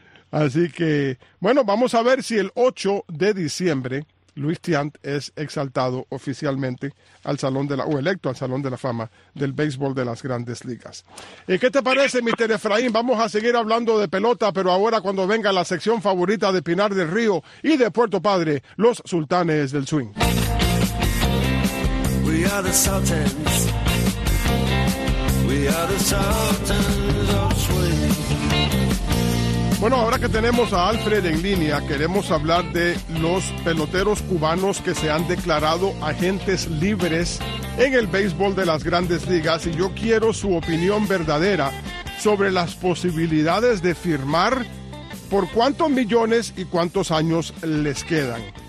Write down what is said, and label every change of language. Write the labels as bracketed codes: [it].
[es] Así que, bueno, vamos a ver si el 8 de diciembre Luis Tiant es exaltado oficialmente al Salón de la o electo al Salón de la Fama del béisbol de las Grandes Ligas. ¿Y qué te parece, Mr. Efraín? Vamos a seguir hablando de pelota, pero ahora cuando venga la sección favorita de Pinar del Río y de Puerto Padre, los Sultanes del Swing. [en] We are the Sultans. We are the Sultans of Swing. [es] Bueno, ahora que tenemos a Alfred en línea, queremos hablar de los peloteros cubanos que se han declarado agentes libres en el béisbol de las Grandes Ligas, y yo quiero su opinión verdadera sobre las posibilidades de firmar, por cuántos millones y cuántos años les quedan.